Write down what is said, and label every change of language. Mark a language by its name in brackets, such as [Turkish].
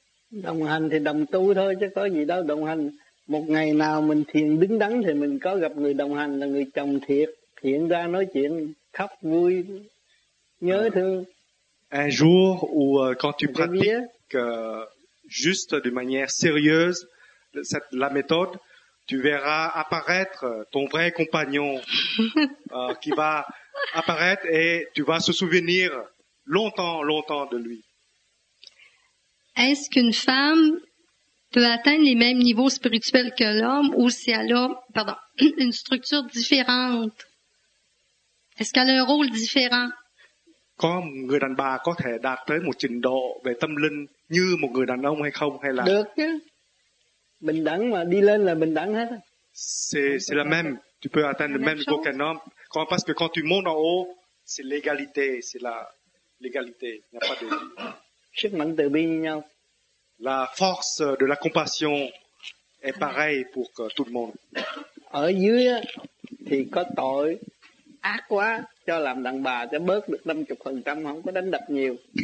[Vietnamese] đồng hành thì đồng tu thôi chứ có gì đâu đồng hành. Một ngày nào mình thiền đứng đắn thì mình có gặp người đồng hành là người chồng thiệt, hiện ra nói chuyện khóc vui nhớ thương. [French] Un jour où quand tu pratiques juste de manière sérieuse la méthode, tu verras apparaître ton vrai compagnon qui va apparaître et tu vas se souvenir longtemps de lui. Est-ce qu'une femme peut atteindre les mêmes niveaux spirituels que l'homme ou si elle a, pardon, une structure différente? Est-ce qu'elle a un rôle différent? [Vietnamese] Có người đàn bà có thể đạt tới một trình độ về tâm linh như một người đàn ông hay không? Hay là... Được chứ. Bình đẳng mà đi lên là bình đẳng hết. [French] C'est la même. Tu peux atteindre le même niveau qu'un homme. Quand, parce que quand tu montes en haut, c'est l'égalité. C'est la légalité. Il n'y a pas de... [Vietnamese] Sức mạnh từ bi như nhau. [French] La force de la compassion est pareil pour tout le monde. [Vietnamese] Ở dưới thì có tội ác quá, cho làm đàn bà cho bớt được 50%, không có đánh đập nhiều.